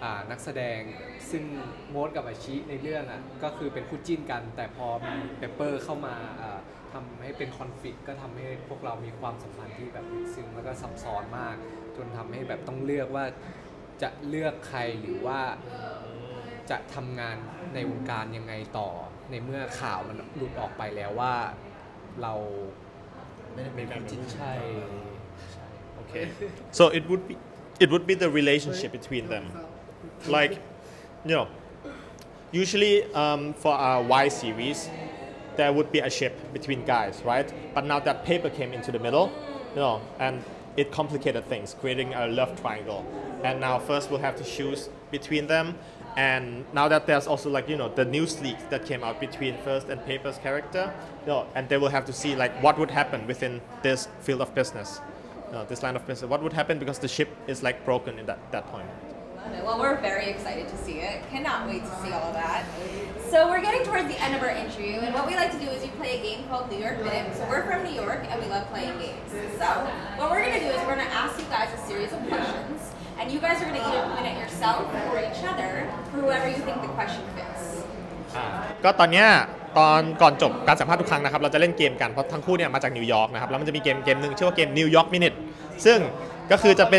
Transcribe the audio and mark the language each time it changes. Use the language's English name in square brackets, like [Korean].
[Thai] นักแสดงซึ่งโมดกับอาชิในเรื่องอ่ะก็คือเป็นคู่จิ้นกันแต่พอมีเปเปอร์เข้ามาทำให้เป็นคอนฟลิกต์ก็ทำให้พวกเรามีความสัมพันธ์ที่แบบซึ้งแล้วก็ซับซ้อนมากจนทำให้แบบต้องเลือกว่าจะเลือกใครหรือว่าจะทำงานในวงการยังไงต่อในเมื่อข่าวมันหลุดออกไปแล้วว่าเรา ไม่ได้เป็นคู่จิ้น ใช่ใช่โอเค [English] so it would be the relationship between themLike, you know, usually for a Y series, there would be a ship between guys, right? But now that paper came into the middle, you know, and it complicated things, creating a love triangle. And now first we'll have to choose between them. And now that there's also like, you know, the news leak that came out between first and paper's character, you know, and they will have to see like what would happen within this field of business, you know, this line of business. What would happen because the ship is like broken in that point. Well, we're very excited to see it. Cannot wait to see all of that. So we're getting towards the end of our interview, and what we like to do is we play a game called New York Minute. So we're from New York, and we love playing games. So what we're going to do is we're going to ask you guys a series of questions, and you guys are going to either point at yourself or each other for whoever you think the question fits. [Thai] ก็ตอนเนี้ยตอนก่อนจบการสัมภาษณ์ทุกครั้งนะครับเราจะเล่นเกมกันเพราะทั้งคู่เนี่ยมาจากนิวยอร์กนะครับแล้วมันจะมีเกมนึงชื่อว่าเกม New York Minute ซึ่งก็คือจะเป็